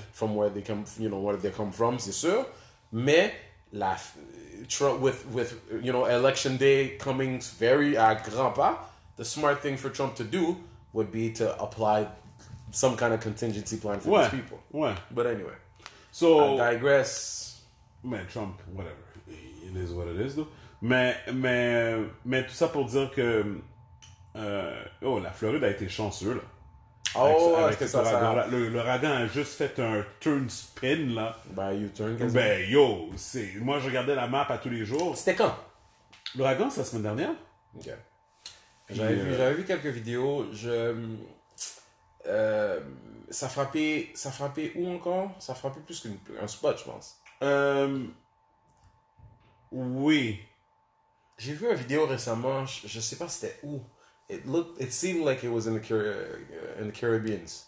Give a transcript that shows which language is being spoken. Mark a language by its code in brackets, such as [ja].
[en] from where they come, you know, where they come from, [fr] c'est sûr. [en] Mais la Trump, with you know, election day coming very [fr] à grands pas, [en] the smart thing for Trump to do would be to apply some kind of contingency plan for [fr] ouais, [en] these people. [fr] Ouais. [en] But anyway, so I digress. Man, Trump, whatever, it is what it is, though. [fr] Mais tout ça pour dire que la Floride a été chanceuse là. Oh, avec c'est ça. L'ouragan a juste fait un turn spin là. [en] Ben, you turn. [fr] Ben, yo, c'est. Moi, je regardais la map à tous les jours. C'était quand? L'ouragan, c'est la semaine dernière. Ok. J'avais vu quelques vidéos. Ça frappait où encore? Ça frappait plus qu'un spot, je pense. Oui. J'ai vu une vidéo récemment, je sais pas c'était où. [en] It seemed like it was in the Caribbean.